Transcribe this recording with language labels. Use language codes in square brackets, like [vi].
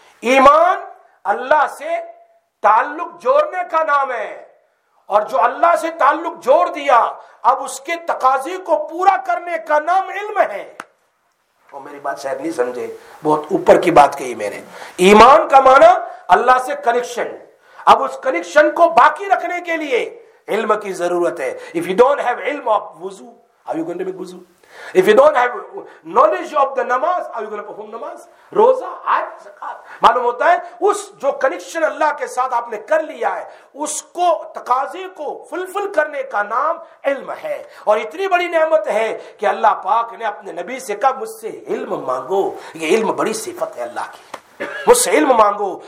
[ur] ایمان اللہ سے تعلق جوڑنے کا نام ہے، اور جو اللہ سے تعلق جوڑ دیا اب اس کے تقاضے کو پورا کرنے کا نام علم ہے. اور میری بات شاید نہیں سمجھے، بہت اوپر کی بات کہی میں نے. ایمان کا معنی اللہ سے کنیکشن، اب اس کنیکشن کو باقی رکھنے کے لیے علم کی ضرورت ہے. [en] If you don't have علم of وضو, are you going to make وضو? If you don't have knowledge of the namaz, are you going to perform namaz, roza, hajj, zakat? [ur] معلوم ہوتا ہے اس جو کنیکشن اللہ کے ساتھ آپ نے کر لیا ہے، اس کو تقاضے کو فلفل کرنے کا نام علم ہے. اور اتنی بڑی نعمت ہے کہ اللہ پاک نے اپنے نبی سے کہا مجھ سے علم مانگو. یہ علم بڑی صفت ہے اللہ کی، مجھ سے علم مانگو.